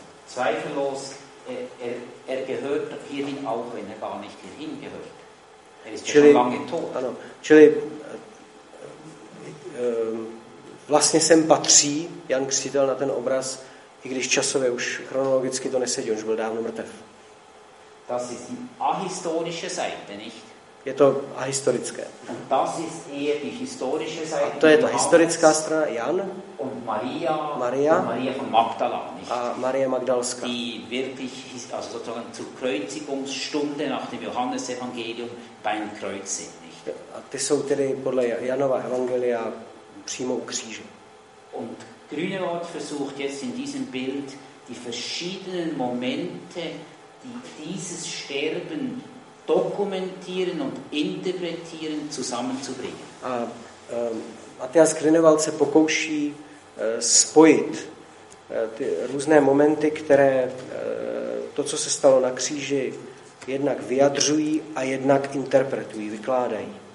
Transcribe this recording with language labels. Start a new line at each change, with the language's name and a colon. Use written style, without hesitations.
German: Zweifellos er gehört hierhin auch, wenn er gar nicht hierhin gehört. Er ist schon lange tot.
Czech: Ano, čili vlastně sem patří Jan Křtitel na ten obraz, i když časově už chronologicky to nesedí, on už byl dávno mrtev.
German: Das ist die ahistorische Seite, nicht?
Czech: Je to ahistorické.
German: Und das ist eher die historische Seite.
Czech: A to je ta historická strana, Jan.
German: Und Maria. Und Maria von Magdala.
Czech: A Marie Magdalská.
German: Die wirklich, also sozusagen zur Kreuzigungsstunde nach dem Johannesevangelium beim Kreuz sind, nicht?
Czech: A ty jsou tedy podle Janova evangelia přímo u kříže.
German: Und Grünewald versucht jetzt in diesem Bild die verschiedenen Momente, die dieses Sterben dokumentieren und interpretieren zusammenzubringen.
Czech: A Matias Grünewald se pokouší spojit ty různé momenty, které to, co se stalo na kříži, jednak vyjadřují a jednak interpretují, vykládají.